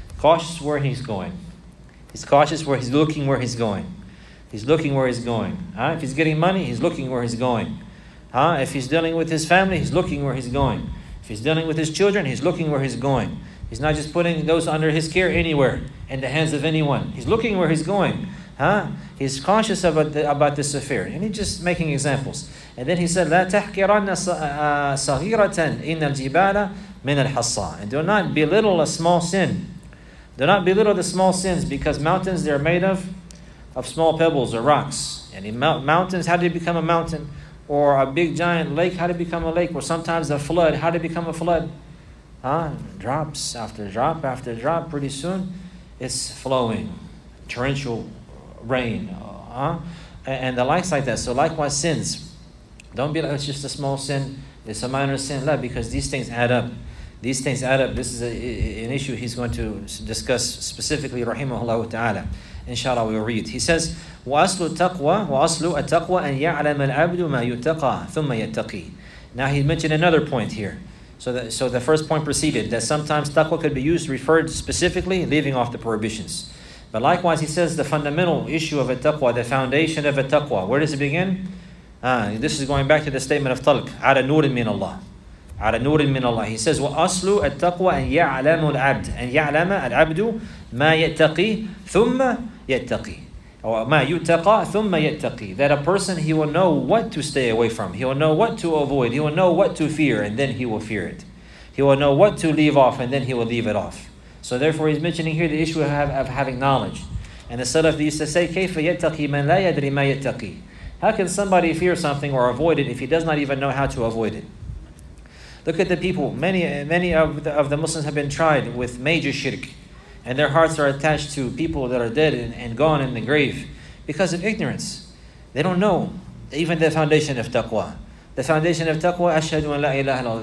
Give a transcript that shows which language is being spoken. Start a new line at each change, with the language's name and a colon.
English: Cautious where he's going. He's cautious where he's looking, where he's going. He's looking where he's going. If he's getting money, he's looking where he's going. Huh? If he's dealing with his family, he's looking where he's going. If he's dealing with his children, he's looking where he's going. He's not just putting those under his care anywhere, in the hands of anyone. He's looking where he's going. Huh? He's conscious about this affair. And he's just making examples. And then he said,
Arabic: لَا تَحْكِرَنَّ صَغِيرَةً إِنَّ الْجِبَالَ مِنَ الْحَصَّى.
English: And do not belittle a small sin. Do not belittle the small sins, because mountains, they're made of small pebbles or rocks. And mountains, how do they become a mountain? Or a big giant lake, how to become a lake? Or sometimes a flood, how to become a flood? Huh? Drops after drop after drop, pretty soon it's flowing. Torrential rain. Huh? And the likes like that. So likewise sins. Don't be like, it's just a small sin, it's a minor sin. No, because these things add up. These things add up. This is an issue he's going to discuss specifically, rahimahullah ta'ala. Inshallah, we'll read. He says,
Arabic: وَأَصْلُ التَّقْوَى وَأَصْلُ التَّقْوَى أَنْ يَعْلَمَ الْعَبْدُ مَا يُتَّقَى ثُمَّ يَتَّقِي.
English: Now he mentioned another point here. So the first point preceded, that sometimes taqwa could be used, referred specifically, leaving off the prohibitions. But likewise, he says, the fundamental issue of a taqwa, the foundation of a taqwa, where does it begin? This is going back to the statement of Talq,
Arabic: عَلَى نُورٍ مِّنَ اللَّهِ. عَلَى نُورٍ مِّنَ اللَّهِ.
English: He says,
Arabic: وَأَصْلُ التَّقْوَى أَنْ يَعْلَمُ الْعَبْدُ أَنْ يَعْلَمَ الْعَبْدُ مَا يَتَّقِي ثُمَّ يَتَّقِي.
English: Or
Arabic: مَا يُتَّقَى ثُمَّ يَتَّقِي.
English: That a person, he will know what to stay away from. He will know what to avoid. He will know what to fear, and then he will fear it. He will know what to leave off, and then he will leave it off. So therefore, he's mentioning here the issue of having knowledge. And the Salaf used to say,
Arabic: كَيْفَ يَتَّقِي مَنْ لَا يَدْرِي مَا يَتَّقِي.
English: How can somebody fear something or avoid it if he does not even know how to avoid it? Look at the people. Many of the Muslims have been tried with major shirk, and their hearts are attached to people that are dead and gone in the grave because of ignorance. They don't know even the foundation of taqwa. The foundation of taqwa,
Arabic: ashhadu an la ilaha illallah.